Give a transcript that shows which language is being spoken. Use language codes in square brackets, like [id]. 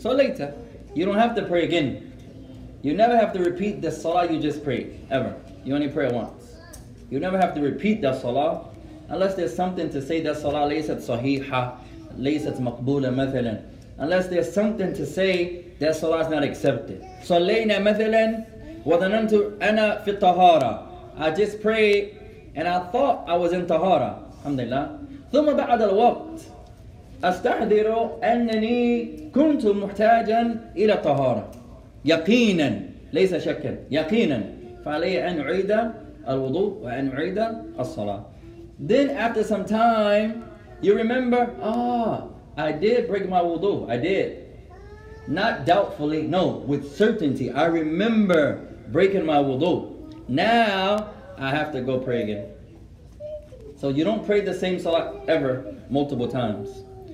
[en] So later, you don't have to pray again. You never have to repeat the salah you just prayed, ever. You only pray once. You never have to repeat that salah, unless there's something to say that salah [ar] ليست صحيحة, ليست مقبولة مثلا. [en] Unless there's something to say that salah is not accepted. [ar] صلينا مثلا وظننت أنا في الطهارة. [en] I just prayed and I thought I was in Tahara. Alhamdulillah. [ar] ثم بعد الوقت أستحضر أنني كنت محتاجا إلى طهارة. يقينا ليس شكا يقينا فعلي أن أعيد الوضوء وأن أعيد الصلاة. [en] Then after some time you remember, I did break my wudu. I did. Not doubtfully, no, with certainty. I remember breaking my wudu. Now I have to go pray again. So you don't pray the same salah ever multiple times.